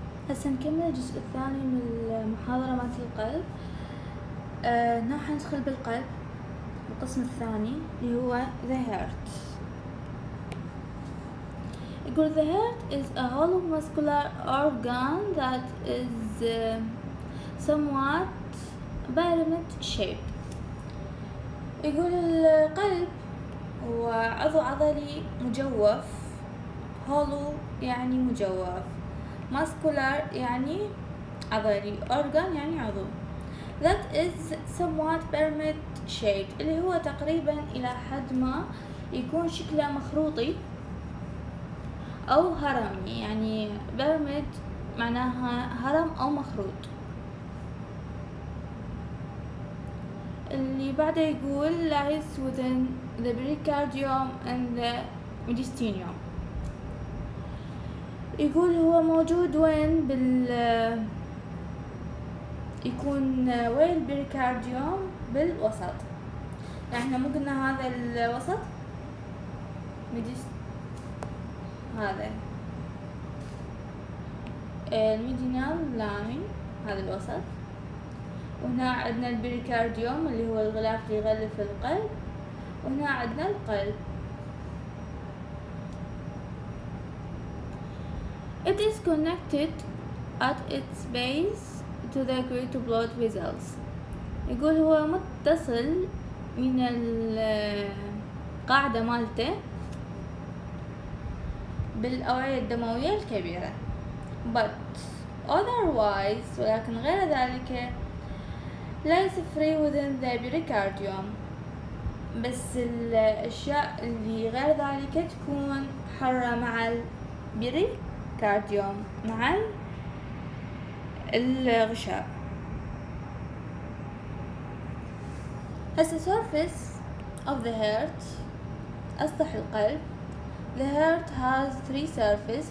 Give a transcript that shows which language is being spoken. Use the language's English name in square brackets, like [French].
[Arabic] هسه نكمل الجزء الثاني من المحاضرة مالت القلب. راح ندخل بالقلب القسم الثاني اللي هو the heart. يقول [English] the heart is a hollow muscular organ that is somewhat pyramid shape. [Arabic] يقول القلب هو عضو عضلي مجوف, hollow يعني مجوف, muscular يعني عضلي, organ يعني عضو, [English] that is somewhat pyramid shaped [Arabic] اللي هو تقريبا إلى حد ما يكون شكله مخروطي أو هرمي. يعني pyramid معناها هرم أو مخروط. اللي بعده يقول [English] lies within the pericardium and the mediastinum. [Arabic] يقول هو موجود وين بال, يكون وين بالبريكارديوم؟ بالوسط. احنا مو قلنا هذا الوسط هذا الميدينال لاين, هذا الوسط, وهنا عندنا البريكارديوم اللي هو الغلاف اللي يغلف القلب, وهنا عندنا القلب. [English] It is connected at its base to the great blood vessels. [Arabic] يقول هو متصل من القاعدة مالته بالأوعية الدموية الكبيرة. [English] But otherwise, [Arabic] ولكن غير ذلك, ليس [English] free within the pericardium. [Arabic] بس الأشياء اللي غير ذلك تكون حرة مع البري كارديوم, مع الغشاء. هسه [English] surface of the heart, [Arabic] أسطح القلب. [English] The heart has three surfaces.